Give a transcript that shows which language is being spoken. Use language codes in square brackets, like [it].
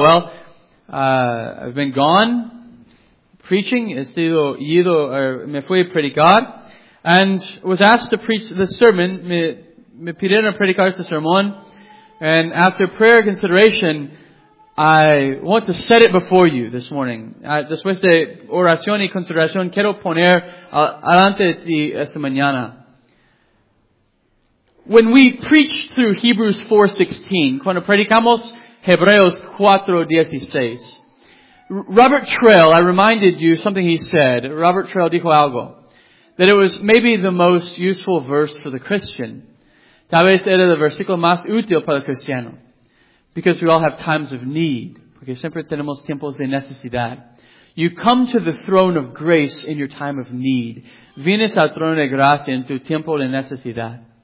[en] Well, I've been gone preaching. [es] Me fui a predicar. [en] And was asked to preach the sermon. [es] Me pidieron a predicar este sermón. [en] And after prayer consideration, I want to set it before you this morning. [es] Después de oración y consideración, quiero poner adelante de ti esta mañana. [en] When we preach through Hebrews 4:16, [es] cuando predicamos Hebreos 4:16, [en] Robert Trail, I reminded you something he said. [es] Robert Trail dijo algo. [en] That it was maybe the most useful verse for the Christian. [es] Tal vez era el versículo más útil para el cristiano. [en] Because we all have times of need. [es] Porque siempre tenemos tiempos de necesidad. [en] You come to the throne of grace in your time of need. [es] Vienes al trono de gracia en tu tiempo de necesidad.